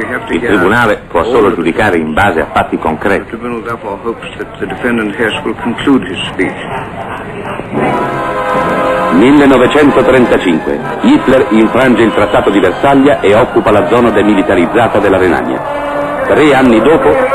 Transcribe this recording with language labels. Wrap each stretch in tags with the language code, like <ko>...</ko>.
<it>Il tribunale può solo giudicare in base a fatti concreti.</it> <en>The tribunal therefore hopes that the defendant Hess will conclude his speech.</en> <it>1935. Hitler infrange il trattato di Versaglia e occupa la zona demilitarizzata della Renania. Tre anni dopo.</it>